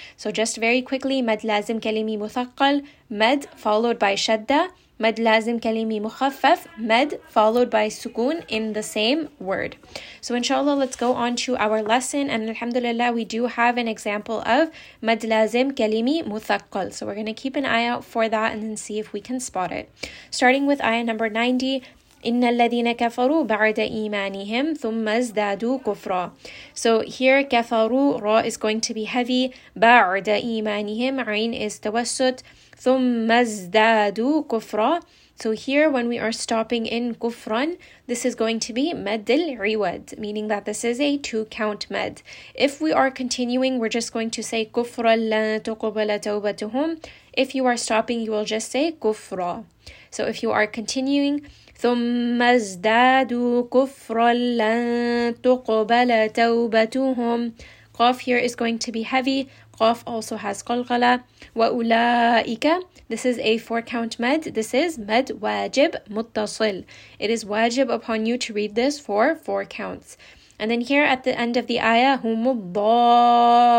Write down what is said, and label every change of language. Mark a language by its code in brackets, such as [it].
[en] So just very quickly, mad lazim kalimi muthaqqal, mad followed by shadda, mad lazim kalimi mukhaffaf, mad followed by sukun in the same word. So inshallah, let's go on to our lesson. And alhamdulillah, we do have an example of mad lazim kalimi muthaqqal. So we're going to keep an eye out for that and then see if we can spot it. Starting with ayah number 90, [ar] إن الذين كفروا بعد إيمانهم ثم ازدادوا كفرا. [en] So here [ar] كفروا, را [en] is going to be heavy, [ar] بعد إيمانهم, عين is توسط, ثم ازدادوا كفرا. [en] So here when we are stopping in كفران, this is going to be مد العواد, meaning that this is a two count مد. If we are continuing, we're just going to say [ar] كفرا لن تقبل توبتهم. [en] If you are stopping, you will just say كفرا. So if you are continuing, [ar] ثُمَّ ازْدَادُوا كُفْرًا لَن تُقْبَلَ تَوْبَتُهُمْ. [en] قَاف here is going to be heavy. قَاف also has قَلْقَلَ. وَأُولَٰئِكَ, this is a four count med. This is med wajib muttasil. It is wajib upon you to read this for four counts. And then here at the end of the ayah, [ar] هُمُ الضَّالُّونَ.